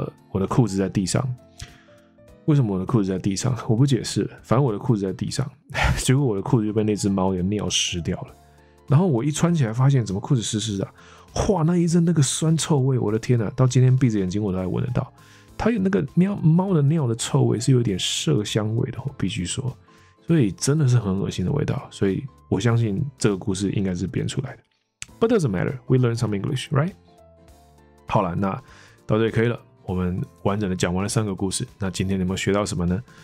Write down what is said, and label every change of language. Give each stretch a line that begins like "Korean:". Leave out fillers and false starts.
Chinese: 我的裤子在地上，为什么我的裤子在地上我不解释了，反正我的裤子在地上，结果我的裤子就被那只猫给尿湿掉了，然后我一穿起来发现怎么裤子湿湿的、啊、哇，那一阵那个酸臭味，我的天哪、啊、到今天闭着眼睛我都还闻得到，它有那个猫的尿的臭味是有点麝香味的，我必须说，所以真的是很恶心的味道，所以我相信这个故事应该是编出来的。
English: But doesn't matter, we learn some English, right?
Chinese: 好了，那到这里可以了，我们完整的讲完了三个故事。那今天你们学到什么呢？